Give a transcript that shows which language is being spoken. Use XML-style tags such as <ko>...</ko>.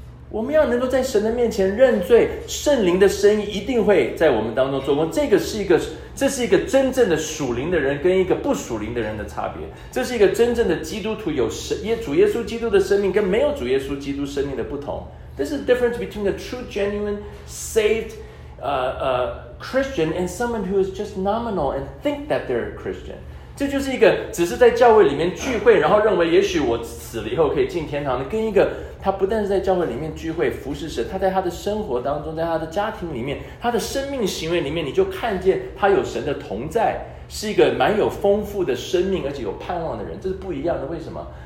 <zh>我们要能够在神的面前认罪，圣灵的声音一定会在我们当中做工。这是一个真正的属灵的人跟一个不属灵的人的差别。这是一个真正的基督徒，有主耶稣基督的生命跟没有主耶稣基督生命的不同。</zh> <en>This is the difference between a true, genuine, saved, Christian and someone who is just nominal and think that they're a Christian.</en> <zh>这就是一个只是在教会里面聚会，然后认为也许我死了以后可以进天堂的，跟一个他不但是在教会里面聚会服侍神，他在他的生活当中，在他的家庭里面，他的生命行为里面，你就看见他有神的同在，是一个蛮有丰富的生命而且有盼望的人，这是不一样的。为什么？</zh>